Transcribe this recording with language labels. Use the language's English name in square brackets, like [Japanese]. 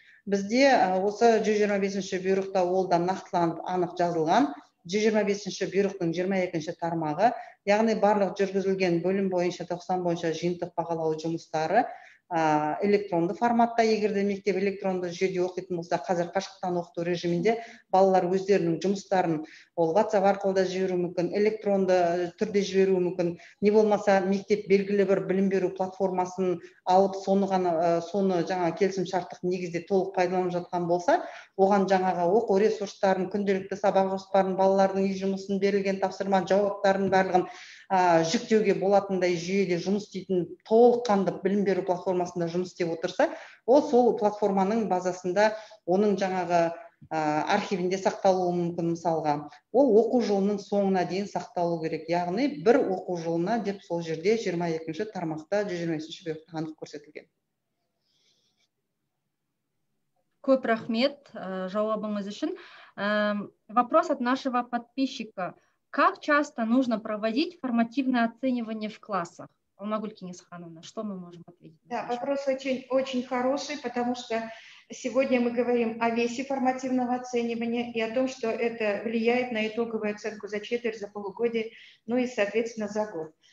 [Kazakh] Бізде осы 125-ші бұйрықта ол да нақтыланып анық жазылған. 125-ші бұйрықтың 22-ші тармағы, яғни барлық жүргізілген бөлім бойынша, 90 бойынша жиынтық бағалау жұмыстары электронды форматта, егер де мектеп электронды жүйеде оқитын болса, қазір қашықтан оқыту режимінде балалар өздерінің жұмыстарын ол WhatsApp арқылы да жіберу мүмкін, электронды түрде жіберу мүмкін. Не болмаса мектеп белгілі бір білім беру платформасын алып, соны ғана соны жаңа келісім шарттық негізде толық пайдаланып жатқан болса, оған жаңаға оқу ресурстарын, күнделікті сабақ жоспарын, балалардың үй жұмысын, берілген тапсырма, жауаптарын барлығын жүктеуге болатындай жүйеде жұмыс істейтін толыққанды білім беру платформасында жұмыс істеп отырса, ол сол платформаның базасында оның жаңағы архивінде сақталуы мүмкін мысалға. Ол оқу жылының соңына дейін сақталуы керек. Яғни бір оқу жылына деп сол жерде 22-ші тармақта 123-ші бұйрықта анық көрсетілген. Көп рахмет жауабыңыз үшін. [Russian] Вопрос от нашего подписчика. Как часто нужно проводить формативное оценивание в классах? Алмагуль Кенисхановна, что мы можем ответить? Да, вопрос очень, очень хороший, потому что сегодня мы говорим о весе формативного оценивания и о том, что это влияет на итоговую оценку за четверть, за полугодие, ну и, соответственно, за год.